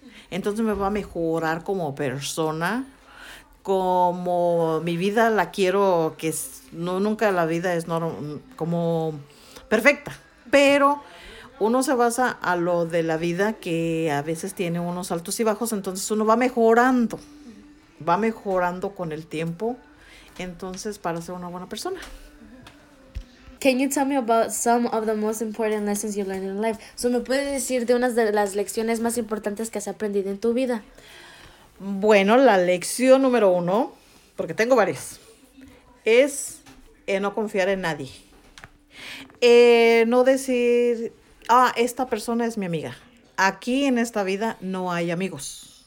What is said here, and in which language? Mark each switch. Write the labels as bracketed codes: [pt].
[es] Entonces me va a mejorar como persona, como mi vida la quiero, que es, no, nunca la vida es normal, como perfecta, pero uno se basa a lo de la vida que a veces tiene unos altos y bajos, entonces uno va mejorando con el tiempo. Entonces, para ser una buena persona. [en] Can you tell me about some of the most important lessons you learned in life? [es] So, ¿me puedes decir de unas de las lecciones más importantes que has aprendido en tu vida? Bueno, la lección número uno, porque tengo varias, es no confiar en nadie. No decir, ah, esta persona es mi amiga. Aquí en esta vida no hay amigos.